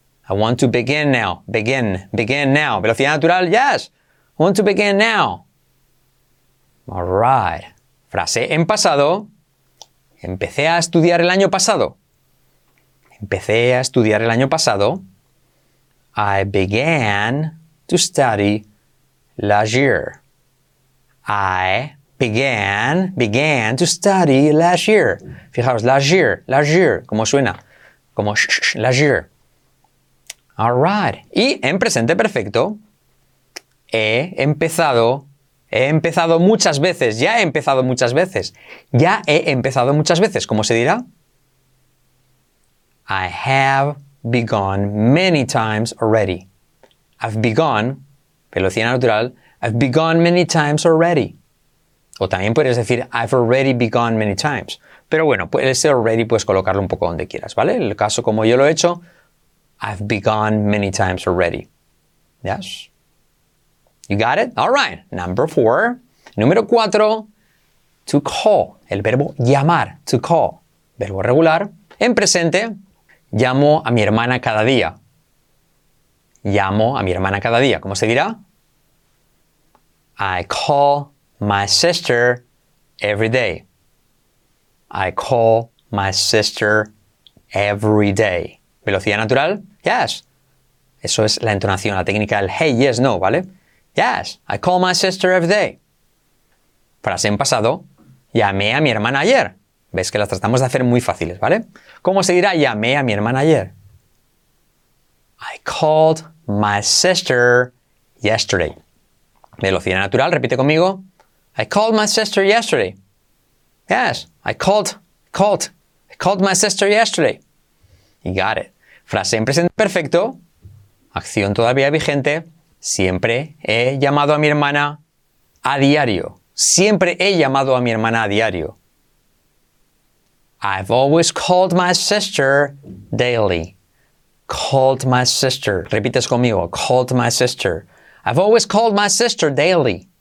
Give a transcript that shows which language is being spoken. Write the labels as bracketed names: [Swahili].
[English] I want to begin now. Begin. Begin now. [Spanish] Velocidad natural. [English] Yes. I want to begin now. All right. [Spanish] Frase en pasado. Empecé a estudiar el año pasado. Empecé a estudiar el año pasado. [English] I began to study last year. I began to study last year. [Spanish] Fijaos, last year, ¿cómo suena? Como sh, sh, last year. [English] All right. [Spanish] Y en presente perfecto, he empezado muchas veces, ya he empezado muchas veces. Ya he empezado muchas veces, ¿cómo se dirá? [English] I have begun many times already. I've begun, [Spanish] velocidad natural, [English] I've begun many times already. [Spanish] O también puedes decir, [English] I've already begun many times. [Spanish] Pero bueno, ese already puedes colocarlo un poco donde quieras, ¿vale? En el caso como yo lo he hecho, [English] I've begun many times already. Yes? You got it? All right. Number four. [Spanish] Número cuatro. [English] To call. [Spanish] El verbo llamar. To call. Verbo regular. En presente, llamo a mi hermana cada día. Llamo a mi hermana cada día. ¿Cómo se dirá? [English] I call my sister every day. I call my sister every day. [Spanish] ¿Velocidad natural? [English] Yes. [Spanish] Eso es la entonación, la técnica del hey, yes, no, ¿vale? [English] Yes, I call my sister every day. [Spanish] Frase en pasado, llamé a mi hermana ayer. Ves que las tratamos de hacer muy fáciles, ¿vale? ¿Cómo se dirá llamé a mi hermana ayer? [English] I called my sister yesterday. [Spanish] Velocidad natural, repite conmigo. [English] I called my sister yesterday. Yes, I called my sister yesterday. You got it. [Spanish] Frase en presente perfecto, acción todavía vigente, siempre he llamado a mi hermana a diario. Siempre he llamado a mi hermana a diario. [English] I've always called my sister daily. Called my sister. [Spanish] Repites conmigo, [English] called my sister. I've always called my sister daily.